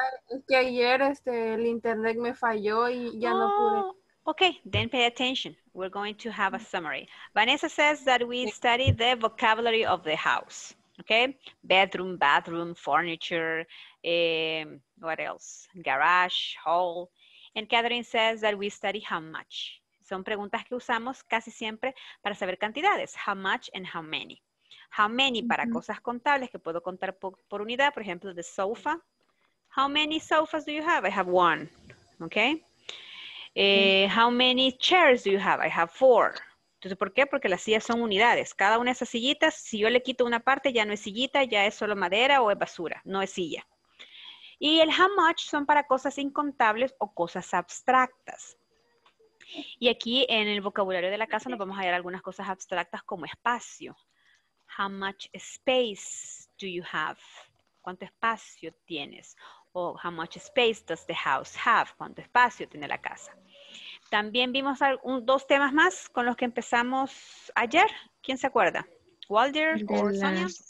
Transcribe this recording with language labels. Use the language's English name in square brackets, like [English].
[Spanish] Es que ayer el internet me falló y ya no pude. [English] Oh, okay, then pay attention. We're going to have a summary. Vanessa says that we studied the vocabulary of the house. Okay, bedroom, bathroom, furniture, what else? Garage, hall. And Catherine says that we study how much. [Spanish] Son preguntas que usamos casi siempre para saber cantidades. [English] How much and how many. How many [Spanish] para cosas contables que puedo contar por unidad, por ejemplo, [English] the sofa. How many sofas do you have? I have one. Okay. How many chairs do you have? I have four. [Spanish] Entonces, ¿por qué? Porque las sillas son unidades. Cada una de esas sillitas, si yo le quito una parte, ya no es sillita, ya es solo madera o es basura, no es silla. Y el how much son para cosas incontables o cosas abstractas. Y aquí en el vocabulario de la casa nos vamos a hallar algunas cosas abstractas como espacio. [English] How much space do you have? [Spanish] ¿Cuánto espacio tienes? [English] O how much space does the house have? [Spanish] ¿Cuánto espacio tiene la casa? También vimos dos temas más con los que empezamos ayer. ¿Quién se acuerda? ¿Walder o Sonia?